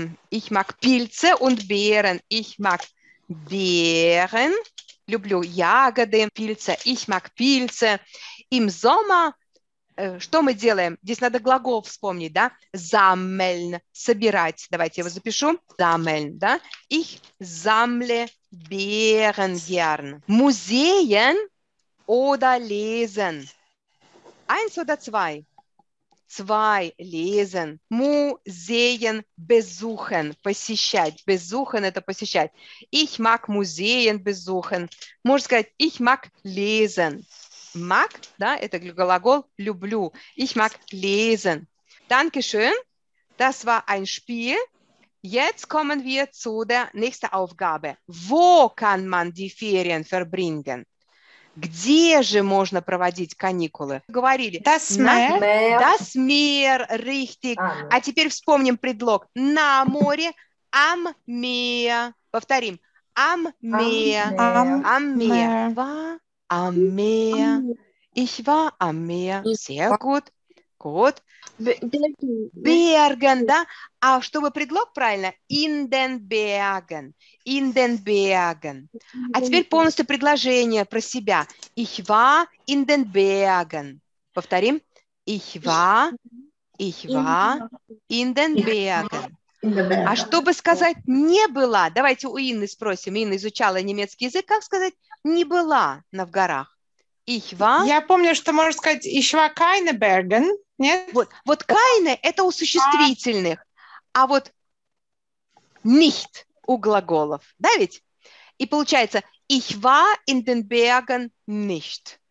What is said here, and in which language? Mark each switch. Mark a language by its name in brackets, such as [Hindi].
[German] Ich mag Pilze und Beeren. Ich mag Beeren. [Russian] Люблю ягоды, [German] Pilze. Ich mag Pilze. Im Sommer [Russian] – что мы делаем? Здесь надо глагол вспомнить, да? [German] Sammeln, [Russian] собирать. Давайте я его запишу. Sammeln, да? [German] Ich sammle Beeren gern. Museen oder lesen? Eins oder zwei? Zwei, lesen. Museen besuchen, [Russian] посещать. [German] Besuchen [Russian] – это посещать. [German] Ich mag Museen besuchen. [Russian] Можно сказать, [German] ich mag lesen. Mag, [Russian] да, это глагол, люблю. [German] Ich mag lesen. Dankeschön. Das war ein Spiel. Jetzt kommen wir zu der nächsten Aufgabe. Wo kann man die Ferien verbringen? [Russian] Где же можно проводить каникулы? Говорили. [German] Das Meer. Das Meer, richtig. [Russian] А теперь вспомним предлог. На море. [German] Am Meer. [Russian] Повторим. [German] Am Meer. Am Meer. Am Meer. Ich war am Meer. Sehr gut. Gut. Bergen, да? [Russian] А чтобы предлог правильно? [German] In den Bergen. In den Bergen. [Russian] А теперь полностью предложение про себя. [German] Ich war in den Bergen. [Russian] Повторим. [German] Ich war in den Bergen. [Russian] А чтобы сказать «не была», давайте у Инны спросим. Инна изучала немецкий язык. Как сказать «не была» на в горах? [German] Ich war. [Russian] Я помню, что можно сказать [German] «ich war keine Bergen». [Russian] Нет? Вот keine – это у существительных, а вот nicht – у глаголов. Да ведь? И получается [German] «ich war in den Bergen nicht».